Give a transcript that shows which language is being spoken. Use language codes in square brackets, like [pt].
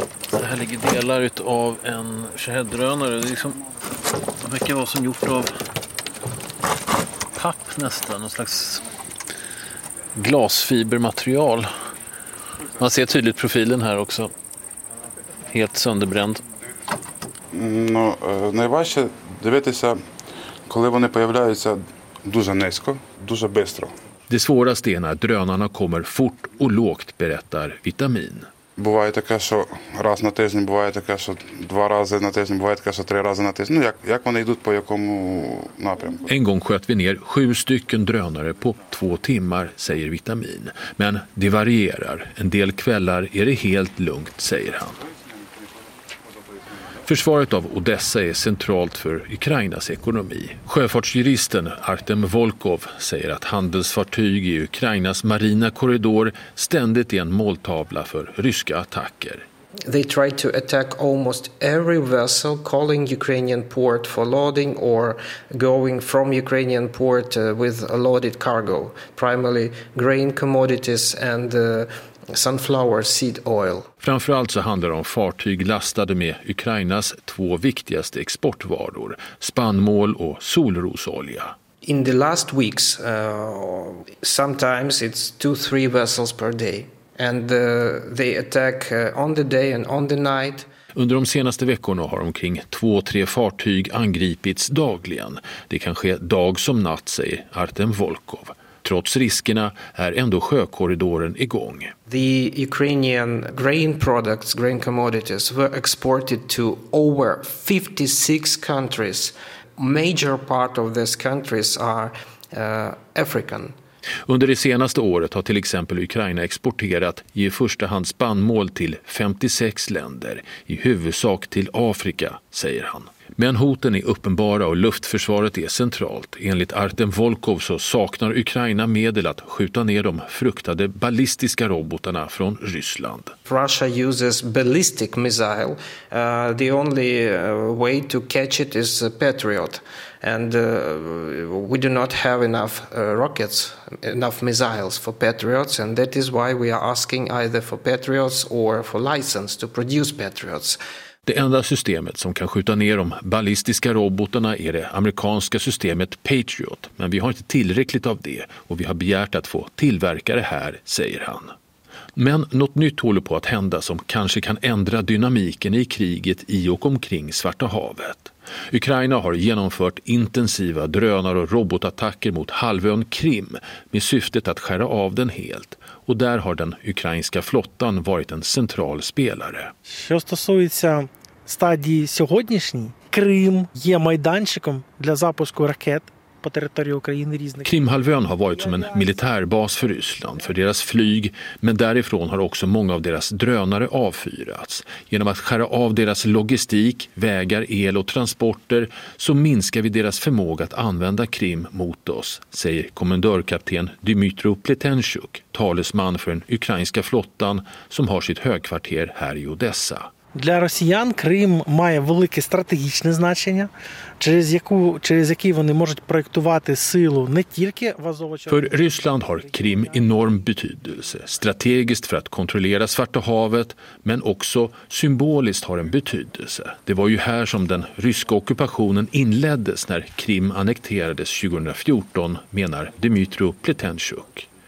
[sv] Så här ligger delar av en Shahed-drönare. Det är liksom, det verkar vara som gjort av papp nästan, någon slags glasfibermaterial. Man ser tydligt profilen här också. Helt sönderbränd. [uk] Но найважче дивитися, коли вони появляються дуже низько, дуже швидко. [sv] Det svåraste är när drönarna kommer fort och lågt, berättar Vitamin. [uk] Буває таке, що раз на тиждень, буває таке, що два рази на тиждень, буває таке, що три рази на тиждень. Ну, як вони йдуть, по якому напрямку? [sv] En gång sköt vi ner 7 stycken drönare på 2 timmar, säger Vitamin. Men det varierar. En del kvällar är det helt lugnt, säger han. Försvaret av Odessa är centralt för Ukrainas ekonomi. Sjöfartsjuristen Artem Volkov säger att handelsfartyg i Ukrainas marina korridor ständigt är en måltavla för ryska attacker. [en] They try to attack almost every vessel calling Ukrainian port for loading or going from Ukrainian port with a loaded cargo, primarily grain commodities and sunflower seed oil. [sv] Framförallt så handlar det om fartyg lastade med Ukrainas två viktigaste exportvaror, spannmål och solrosolja. [en] In the last weeks, sometimes it's 2-3 vessels per day and they attack on the day and on the night. [sv] Under de senaste veckorna har omkring 2-3 fartyg angripits dagligen. Det kan ske dag som natt, säger Artem Volkov. Trots riskerna är ändå sjökorridoren igång. [en] The Ukrainian grain products, grain commodities were exported to over 56 countries. Major part of these countries are African. [sv] Under det senaste året har till exempel Ukraina exporterat i första hand spannmål till 56 länder, i huvudsak till Afrika, säger han. Men hoten är uppenbara och luftförsvaret är centralt. Enligt Artem Volkov så saknar Ukraina medel att skjuta ner de fruktade ballistiska robotarna från Ryssland. [en] Russia uses ballistic missile. The only way to catch it is Patriot. And we do not have enough rockets, enough missiles for Patriots, and that is why we are asking either for Patriots or for license to produce Patriots. [sv] Det enda systemet som kan skjuta ner de ballistiska robotarna är det amerikanska systemet Patriot. Men vi har inte tillräckligt av det och vi har begärt att få tillverka det här, säger han. Men något nytt håller på att hända som kanske kan ändra dynamiken i kriget i och omkring Svarta havet. Ukraina har genomfört intensiva drönar- och robotattacker mot halvön Krim med syftet att skära av den helt. Och där har den ukrainska flottan varit en central spelare. [uk] Що стосується стадії сьогоднішній, Крим є майданчиком для запуску ракет. [sv] Krimhalvön har varit som en militärbas för Ryssland, för deras flyg, men därifrån har också många av deras drönare avfyrats. Genom att skära av deras logistik, vägar, el och transporter så minskar vi deras förmåga att använda Krim mot oss, säger kommendörkapten Dmytro Pletenchuk, talesman för den ukrainska flottan som har sitt högkvarter här i Odessa. [uk] Для росіян Крим має велике стратегічне значення, через який вони можуть проєктувати силу не тільки в Азово-Червоному. [sv] För Ryssland har Krim enorm betydelse, strategiskt för att kontrollera Svarta havet, men också symboliskt har en betydelse. Det var ju här som den ryska ockupationen inleddes när Krim annekterades 2014, menar Dmytro Pletenchuk.